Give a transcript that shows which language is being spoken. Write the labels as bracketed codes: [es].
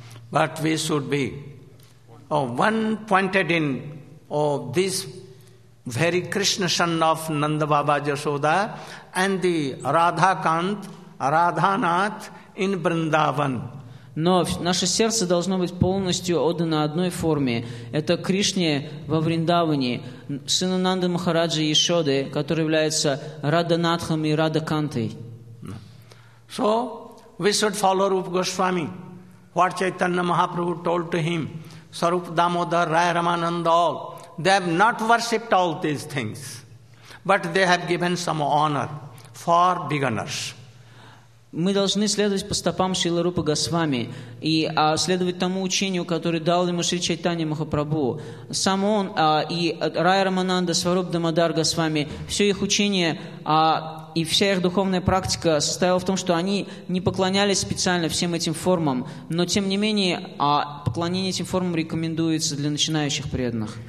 [en] But we should be one-pointed in this very Krishna son of Nanda Baba Yashoda and the Radhakant, Radhanath in Vrindavan. [ru] Но наше сердце должно быть полностью отдано одной форме. Это Кришне во Вриндаване, сыну Нанды Махараджи Ешоды, который является Раданатхом и Радакантой. [en] So, we should follow Rupa Goswami. What Chaitanya Mahaprabhu told to him, Sarup Damodar, Raya Ramananda, all. They have not worshipped all these things, but they have given some honor for beginners. [ru] Мы должны следовать по стопам Шрилы Рупы Госвами и следовать тому учению, которое дал ему Шри Чайтанья Махапрабху. Сам он и Рай Рамананда, Сваруп Дамодар Госвами, все их учение и вся их духовная практика состояла в том, что они не поклонялись специально всем этим формам, но тем не менее поклонение этим формам рекомендуется для начинающих преданных.